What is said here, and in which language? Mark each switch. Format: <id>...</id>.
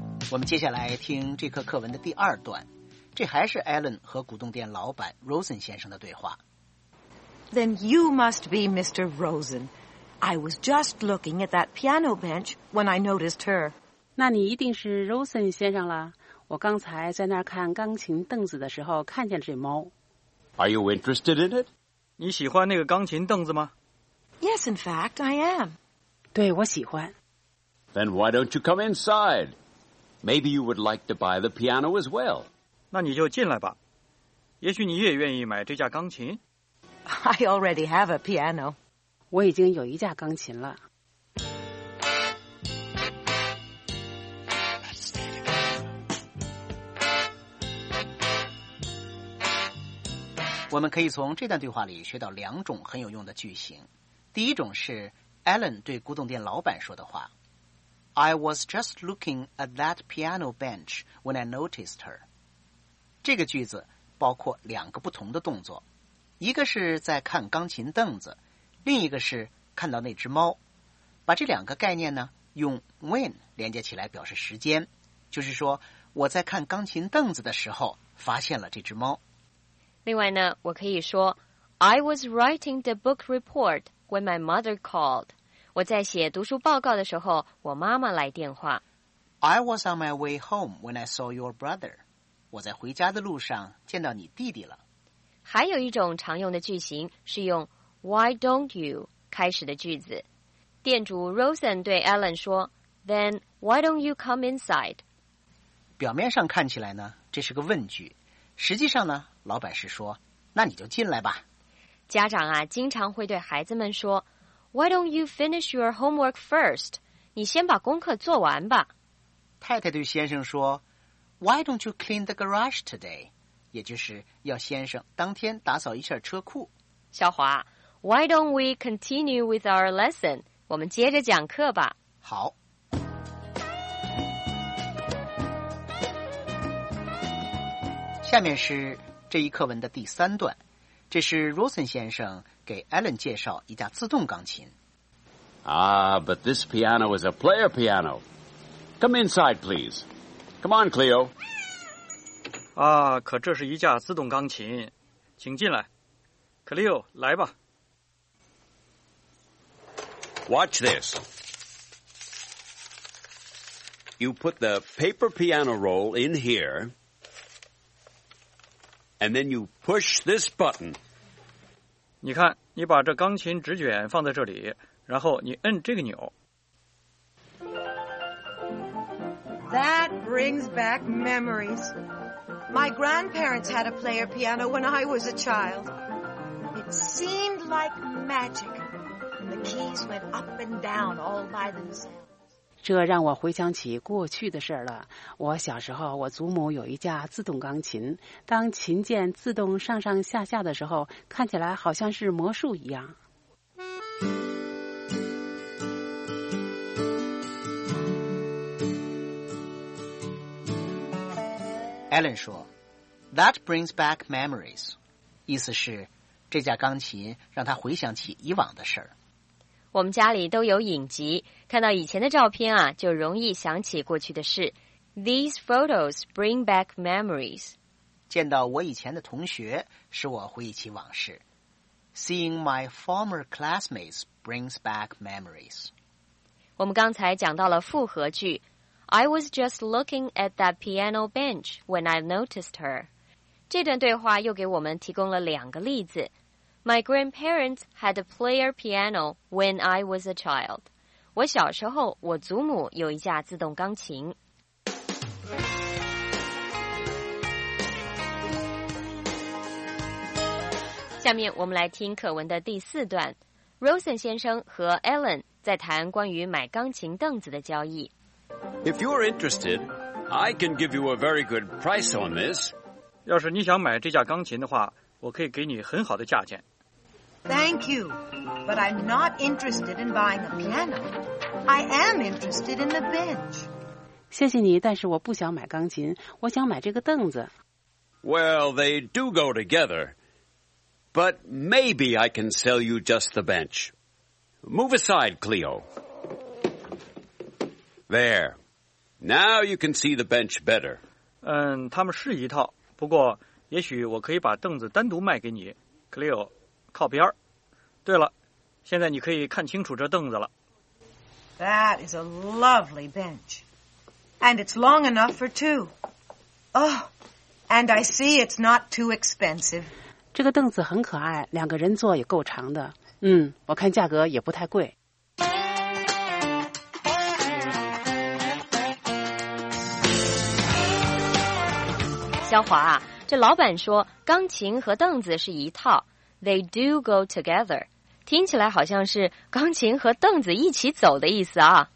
<zh>我们接下来听这课课文的第二段。这还是艾伦和古董店老板 Rosen 先生的对话。</zh> <en>Then you must be Mr. Rosen. I was just looking at that piano bench when I noticed her.</en> <zh>那你一定是 Rosen 先生了。我刚才在那儿看钢琴凳子的时候看见了这猫。</zh> <en>Are you interested in it?</en> <zh>你喜欢那个钢琴凳子吗？</zh> <en>Yes, in fact, I am.</en> <zh>对，我喜欢。</zh> <en>Then why don't you come inside? Maybe you would like to buy the piano as well.</en> <zh>那你就进来吧。也许你也愿意买这架钢琴。</zh> <en>I already have a piano.</en> <zh>我已经有一架钢琴了。我们可以从这段对话里学到两种很有用的句型。第一种是 Alan 对古董店老板说的话。</zh> <en>I was just looking at that piano bench when I noticed her.</en> <zh>这个句子包括两个不同的动作，一个是在看钢琴凳子，另一个是看到那只猫。把这两个概念呢，用 when 连接起来表示时间，就是说我在看钢琴凳子的时候发现了这只猫。另外呢，我可以说</zh> <en>I was writing the book report when my mother called.</en> <zh>我在写读书报告的时候，我妈妈来电话。</zh> <en>I was on my way home when I saw your brother.</en> <zh>我在回家的路上见到你弟弟了。还有一种常用的句型是用</zh> <en>Why don't you</en> <zh>开始的句子。店主 Rosen 对 Alan 说</zh> <en>Then why don't you come inside?</en> <zh>表面上看起来呢，这是个问句。实际上呢，老板是说，那你就进来吧。家长啊，经常会对孩子们说</zh> <en>Why don't you finish your homework first?</en> <zh>你先把功课做完吧。太太对先生说</zh> <en>Why don't you clean the garage today?</en> <zh>也就是要先生当天打扫一下车库。</zh> <en>小华 Why don't we continue with our lesson?</en> <zh>我们接着讲课吧。好。下面是这一课文的第三段，这是 Rosen 先生给 Alan 介绍一架自动钢琴。</zh> <en>Ah, but this piano is a player piano. Come inside, please. Come on, Cleo.</en> <zh>啊，可这是一架自动钢琴，请进来。 Cleo, 来吧。</zh> <en>Watch this. You put the paper piano roll in here. And then you push this button.</en> <zh>你看，你把这钢琴纸卷放在这里，然后你摁这个钮。</zh> <en>That brings back memories. My grandparents had a player piano when I was a child. It seemed like magic. The keys went up and down all by themselves.</en> <zh>这让我回想起过去的事了。我小时候，我祖母有一架自动钢琴，当琴键自动上上下下的时候，看起来好像是魔术一样。</zh> <en>Alan 说 That brings back memories.</en> <zh>意思是这架钢琴让他回想起以往的事儿。我们家里都有影集，看到以前的照片啊，就容易想起过去的事。</zh> <en>These photos bring back memories.</en> <zh>见到我以前的同学，使我回忆起往事。</zh> <en>Seeing my former classmates brings back memories.</en> <zh>我们刚才讲到了复合句。</zh> <en>I was just looking at that piano bench when I noticed her.</en> <zh>这段对话又给我们提供了两个例子。</zh> <en>My grandparents had a player piano when I was a child.</en> <zh>我小时候，我祖母有一架自动钢琴。下面我们来听课文的第四段。Rosen 先生和 Alan 在谈关于买钢琴凳子的交易。</zh> <en>If you are interested, I can give you a very good price on this.</en> <zh>要是你想买这架钢琴的话，我可以给你很好的价钱。</zh> <en>Thank you, but I'm not interested in buying a piano. I am interested in the bench.</en> <zh>谢谢你，但是我不想买钢琴，我想买这个凳子。</zh> <en>Well, they do go together, but maybe I can sell you just the bench. Move aside, Cleo. There. Now you can see the bench better.</en> <zh>嗯，他们是一套，不过也许我可以把凳子单独卖给你。 Cleo， 靠边。对了，现在你可以看清楚这凳子了。</zh> <en>That is a lovely bench. And it's long enough for two. Oh, and I see it's not too expensive.</en> <zh>这个凳子很可爱，两个人坐也够长的。嗯，我看价格也不太贵。肖华啊，这老板说钢琴和凳子是一套 ，</zh> <en>they do go together，</en> <zh>听起来好像是钢琴和凳子一起走的意思啊。</zh>